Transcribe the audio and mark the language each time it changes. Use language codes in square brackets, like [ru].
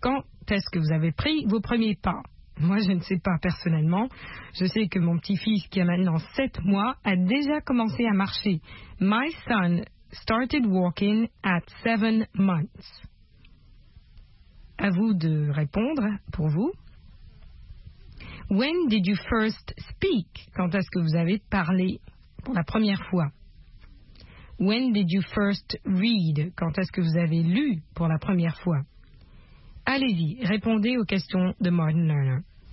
[fr] Quand est-ce que vous avez pris vos premiers pas ? Moi, je ne sais pas personnellement. Je sais que mon petit-fils, qui a maintenant 7 mois, a déjà commencé à marcher. [en] « My son started walking at 7 months. » [fr] À vous de répondre pour vous. [en] When did you first speak? [fr] Quand est-ce que vous avez parlé pour la première fois? [en] When did you first read? [fr] Quand est-ce que vous avez lu pour la première fois? Allez-y, répondez aux questions de Martin Lerner.